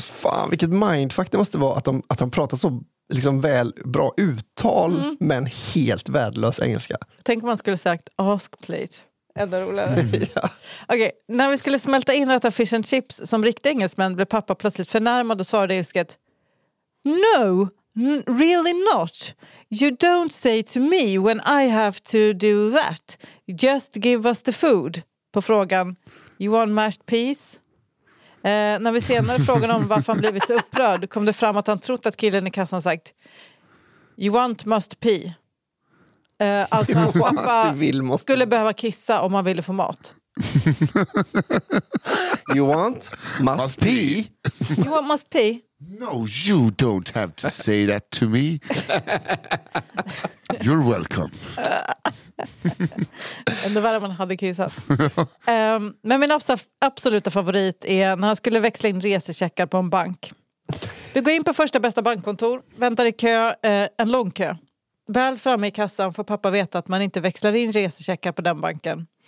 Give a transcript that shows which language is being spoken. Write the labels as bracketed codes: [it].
[sv] Fan, vilket mindfuck det måste vara att de pratar så liksom väl bra uttal men helt värdelös engelska. Tänk om man skulle sagt [en] ask plate. [sv] Ändå roligare. Okej, när vi skulle smälta in och äta fish and chips som riktig engelsmän blev pappa plötsligt förnärmad och svarade ilsket [en] "No, really not. You don't say to me when I have to do that. Just give us the food." [sv] På frågan [en] "You want mashed peas?" [sv] När vi senare frågade om varför han blivit så upprörd kom det fram att han trott att killen i kassan sagt [en] "You want must pee." [sv] Alltså att pappa vill, skulle behöva kissa om man ville få mat. [en] "You want must pee." "You want must pee." "No, you don't have to say that to me. You're welcome." [sv] Ändå värre man hade kissat. Men min absoluta favorit är när han skulle växla in resecheckar på en bank. Vi går in på första bästa bankkontor, väntar i kö, en lång kö. Väl framme i kassan får pappa veta att man inte växlar in resecheckar på den banken.